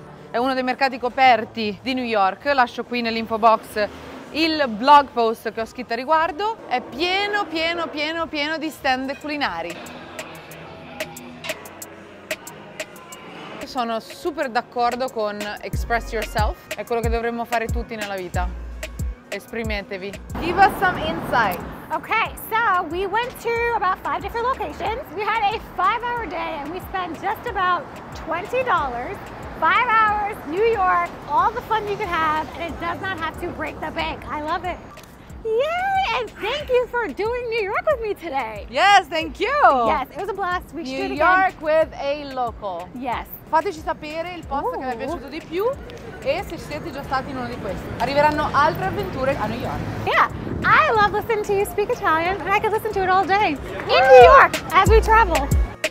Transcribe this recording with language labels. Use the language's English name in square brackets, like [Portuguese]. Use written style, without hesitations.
[Italian] È uno dei mercati coperti di New York. Lascio qui nell'info box il blog post che ho scritto a riguardo. È pieno di stand culinari. Sono super d'accordo con Express Yourself. È quello che dovremmo fare tutti nella vita. Esprimetevi. [English] Give us some insight. Okay, so we went to about 5 different locations. We had a 5-hour day and we spent just about $20. 5 hours, New York, all the fun you can have, and it does not have to break the bank. I love it. Yay! And thank you for doing New York with me today. Yes, thank you. Yes, it was a blast. We New York with a local. Yes. [Italian] Fateci sapere il posto che vi è piaciuto di più e se siete già stati in uno di questi. Arriveranno altre avventure a New York. [English] Yeah, I love listening to you speak Italian, and I could listen to it all day. In New York, as we travel.